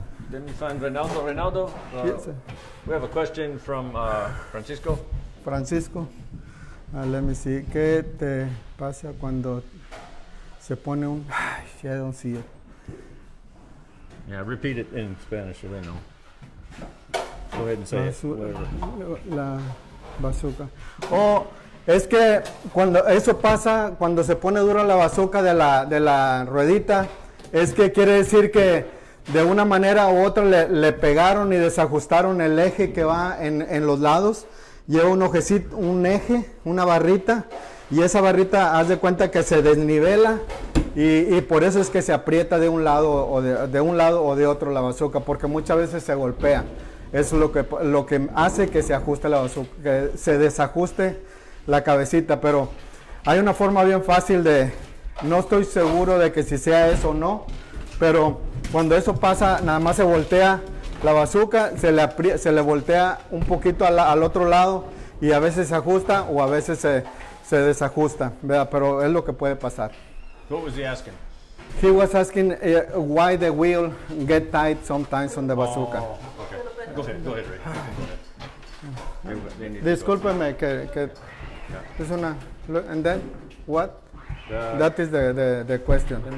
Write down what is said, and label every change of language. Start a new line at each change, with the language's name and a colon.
English: Let me find Reynaldo. Reynaldo, we have a question from Francisco.
Spanish: Francisco,
English: let me see.
Spanish: ¿Qué te pasa cuando se pone un...
English: Ay, I don't see it. Yeah, repeat it in Spanish so they know. Go ahead and say
Spanish: La bazooka. Oh, es que cuando eso pasa, cuando se pone dura la bazooka de la ruedita, es que quiere decir que de una manera u otra le pegaron y desajustaron el eje que va en los lados. Lleva un ojecito, un eje, una barrita, y esa barrita haz de cuenta que se desnivela y por eso es que se aprieta de un lado o de otro la bazooka, porque muchas veces se golpea. Eso es lo que hace que se ajuste la bazooka, que se desajuste la cabecita, pero hay una forma bien fácil de, no estoy seguro de que si sea eso o no, pero cuando eso pasa, nada más se voltea la bazooka, se le voltea un poquito al otro lado y a veces se ajusta o a veces se desajusta, ¿verdad? Pero es lo que puede pasar.
English: What was he asking? He was asking why the wheel get tight sometimes on the bazooka. Oh, okay. Go ahead, Ray.
Spanish: Discúlpeme, que yeah. Es una,
English: and then what? That is the question.